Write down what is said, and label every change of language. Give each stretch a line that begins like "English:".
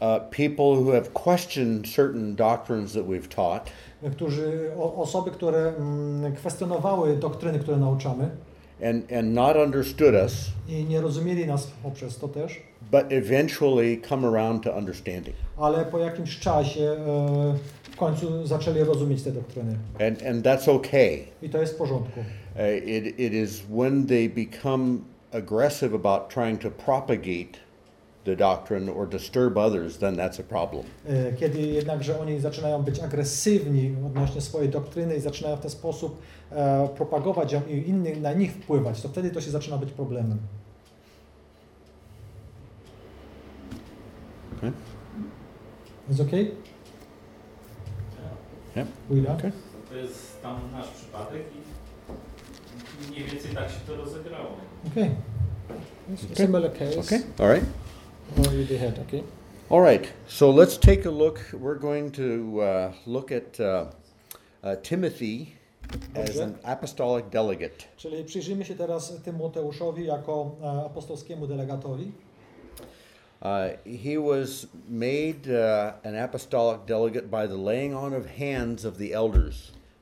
English: people who have questioned certain doctrines that we've taught,
Polish: osoby, które kwestionowały doktryny, które nauczamy,
English: and not understood us,
Polish: i nie rozumieli nas poprzez to też,
English: but eventually come around to understanding.
Polish: Ale po jakimś czasie w końcu zaczęli rozumieć te doktryny.
English: And that's okay.
Polish: I to jest w porządku.
English: It is when they become aggressive about trying to propagate the doctrine or disturb others, then that's a problem.
Polish: Kiedy jednakże oni zaczynają być agresywni odnośnie swojej doktryny i zaczynają w ten sposób propagować ją i innych na nich wpływać, to wtedy to się zaczyna być problemem.
English: Okay. Is okay? Yeah. Yeah. Okay.
Polish: To jest tam nasz przypadek i mniej więcej tak się to rozegrało.
English: Okay. Okay. Similar case. Okay. All right. Already had. Okay. All right. So let's take a look. We're going to look at Timothy as an apostolic delegate.
Polish: Czyli przyjrzymy się teraz Tymoteuszowi jako apostolskiemu delegatowi.
English: He was made an apostolic delegate by the laying on of hands of the elders.